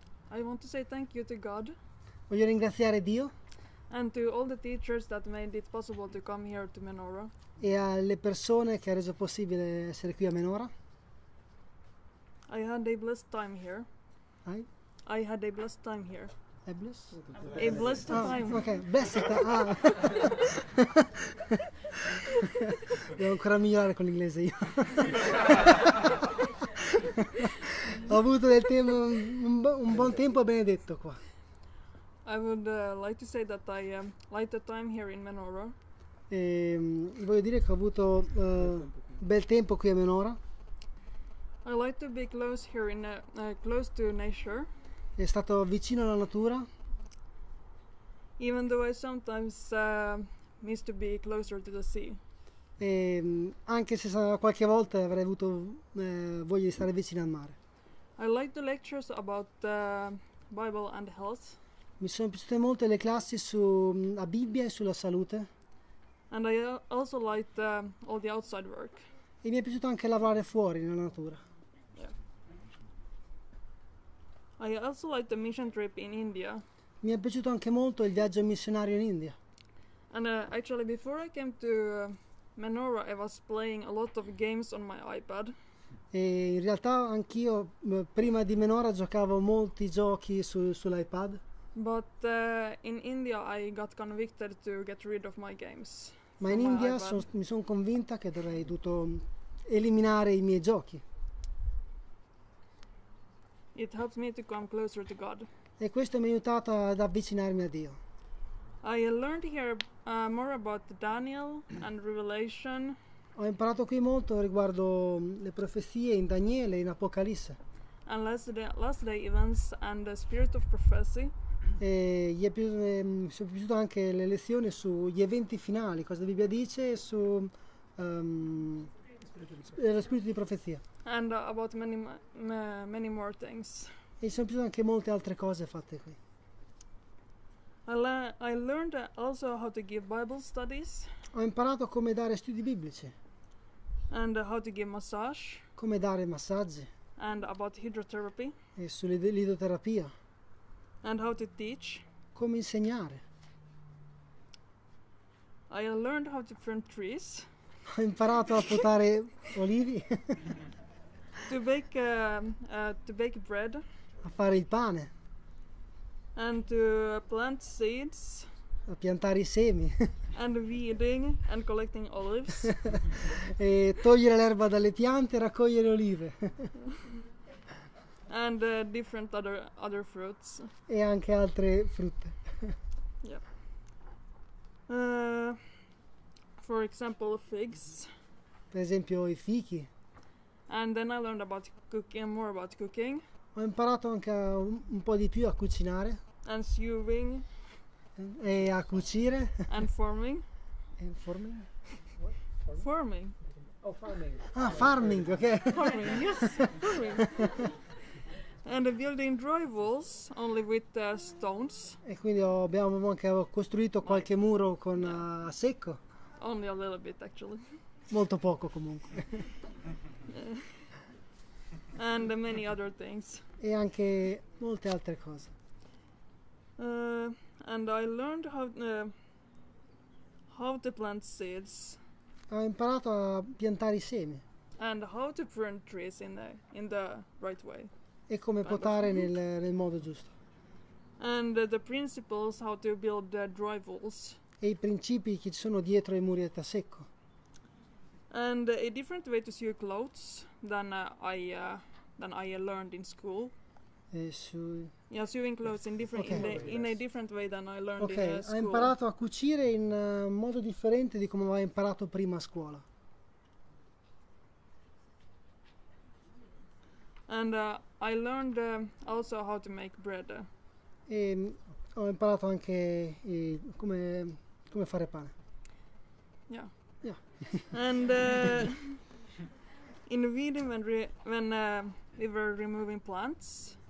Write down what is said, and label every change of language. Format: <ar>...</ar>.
<en>I want to say thank you to God.</en> <it>Voglio ringraziare Dio.</it> <en>And to all the teachers that made it possible to come here to Menorah.</en> <it>E alle persone che ha reso possibile essere qui a Menorah.</it> <en>I had a blessed time here. I had a blessed time here. A blessed time. Okay, blessed.</en> <it>Devo ancora migliorare con l'inglese io. Ho avuto del tempo un buon tempo benedetto qua.</it> <en>I would like to say that I like the time here in Menorah.</en> <it>Voglio dire che ho avuto bel tempo qui a Menorah.</it> <en>I like to be close here in close to nature.</en> <it>È stato vicino alla natura.</it> <en>Even though I sometimes miss to be closer to the sea.</en> <it>E, anche se qualche volta avrei avuto voglia di stare vicino al mare.</it> <en>I like the lectures about Bible and health.</en> <it>Mi sono piaciute molto le classi su la Bibbia e sulla salute.</it> <en>And I also liked all the outside work.</en> <it>E mi è piaciuto anche lavorare fuori nella natura.</it> <en>Yeah. I also liked the mission trip in India.</en> <it>Mi è piaciuto anche molto il viaggio missionario in India.</it> <en>And actually before I came to Menorah I was playing a lot of games on my iPad.</en> <it>E in realtà anch'io prima di Menorah giocavo molti giochi sull'iPad.</it> <en>But in India I got convicted to get rid of my games.</en> <it>Ma in India mi sono convinta che dovrei dovuto eliminare i miei giochi.</it> <en>It helped me to come closer to God.</en> <it>e questo mi ha aiutato ad avvicinarmi a Dio.</it> <en>I learned here more about Daniel and Revelation.</en> <it>Ho imparato qui molto riguardo le profezie in Daniele e in Apocalisse.</it> <en>And last day events and the spirit of prophecy.</en> <it>E gli è piaciuto, mi è piaciuto anche le lezioni sugli eventi finali, cosa la Bibbia dice su lo spirito di profezia.</it> <en>And about many more things.</en> <it>E mi sono piaciute anche molte altre cose fatte qui.</it> <en>I learned also how to give Bible studies.</en> <it>Ho imparato come dare studi biblici.</it> <en>And how to give massage.</en> <it>Come dare massaggi.</it> <en>And about hydrotherapy.</en> <it>E sull'idroterapia.</it> <en>And how to teach.</en> <it>Come insegnare.</it> <en>I learned how to prune trees.</en> <it>Ho imparato a potare olivi.</it> <en>to bake bread.</en> <it>A fare il pane.</it> <en>And to plant seeds.</en> <it>A piantare i semi.</it> <en>And weeding and collecting olives.</en> <it>E togliere l'erba dalle piante e raccogliere olive.</it> <en>And different other fruits.</en> <it>E anche altre frutte.</it> <en>Yeah. For example, figs.</en> <it>Per esempio i fichi.</it> <en>And then I learned about cooking, more about cooking.</en> <it>Ho imparato anche un po' di più a cucinare.</it> <en>And sewing.</en> <it>E a cucire.</it> <en>And farming. And farming? What? Farming. Farming. Oh, farming. Ah, farming, ok. Farming, yes. And building drywalls only with stones.</en> <it>E quindi abbiamo costruito qualche muro con secco.</it> <en>Only a little bit, actually.</en> <it>Molto poco, comunque.</it> <en>And many other things.</en> <it>E anche molte altre cose.</it> <en>And I learned how to plant seeds.</en> <it>Ho imparato a piantare i semi.</it> <en>And how to prune trees in the right way.</en> <it>E come potare nel modo giusto.</it> <en>And the principles how to build the drywalls.</en> <it>E i principi che ci sono dietro i muri a secco.</it> <en>And a different way to sew clothes than I learned in school. Sewing clothes in a different way than I learned in</en> <it>Ok, ho imparato a cucire in modo differente di come avevo imparato prima a scuola.</it> <en>And I learned also how to make bread.</en> <it>E ho imparato anche come fare pane.</it> <en>Yeah. Yeah. And in Vietnam when we were removing plants.</en>